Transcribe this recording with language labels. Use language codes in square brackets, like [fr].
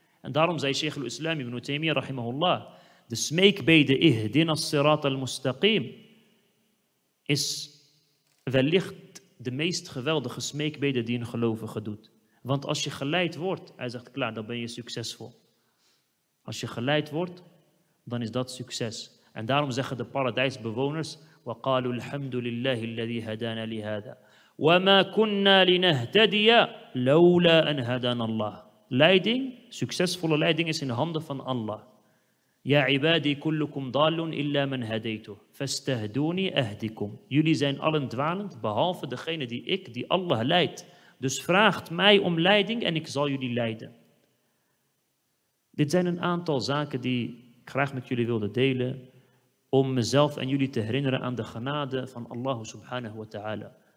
[nl] En daarom zei Sheikh al-Islam ibn Taymiyyah rahimahullah, de smeekbede [ar] ihdina as-sirat al-mustaqim [nl] is wellicht de meest geweldige smeekbede die een gelovige doet. Want als je geleid wordt, hij zegt, klaar, dan ben je succesvol. Als je geleid wordt, dan is dat succes. En daarom zeggen de paradijsbewoners, [ar] وقالوا الحمد لله الذي هدانا لهذا وما كنا لنهتدي لولا أن هدانا الله. [nl] Leiding, succesvolle leiding is in handen van Allah. [ar] يا عبادي كلكم ضال إلا من هديته فاستهدوني أهديكم. [nl] Jullie zijn allen dwalend behalve degene die ik, die Allah leidt. Dus vraagt mij om leiding en ik zal jullie leiden. Dit zijn een aantal zaken die ik graag met jullie wilde delen om mezelf en jullie te herinneren aan de genade van Allah subhanahu wa ta'ala.